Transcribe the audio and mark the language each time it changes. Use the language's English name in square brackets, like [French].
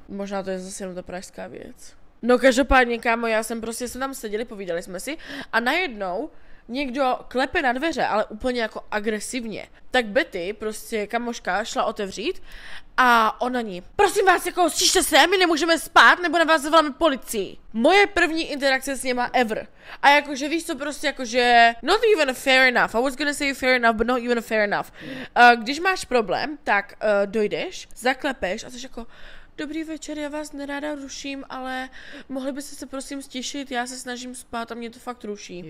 [Czech] Možná to je zase jenom ta pražská věc. No každopádně, kámo, já jsem prostě, jsme tam seděli, povídali jsme si a najednou někdo klepe na dveře, ale úplně jako agresivně. Tak Betty, prostě kamoška, šla otevřít a ona ní, prosím vás, jako stište se, my nemůžeme spát, nebo na vás zavoláme policii. Moje první interakce s něma ever. A jakože víš co, prostě jakože, [English] not even fair enough, I was gonna say fair enough, but not even fair enough. [Czech] Když máš problém, tak dojdeš, zaklepeš a jsi jako, dobrý večer, já vás nerada ruším, ale mohli byste se prosím stišit, já se snažím spát a mě to fakt ruší.